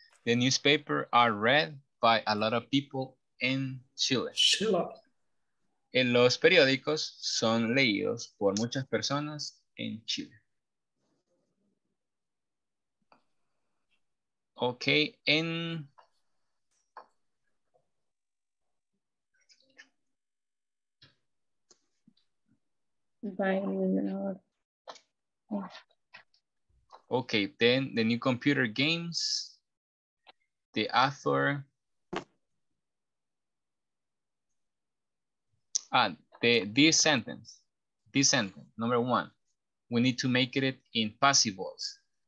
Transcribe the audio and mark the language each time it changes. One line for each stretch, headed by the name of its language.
English: The newspaper are read by a lot of people in Chile. Chile.
Spanish: En los periódicos son leídos por muchas personas en Chile.
English: Okay, en okay, then the new computer games, the author, this sentence, number one, we need to make it in passive voice.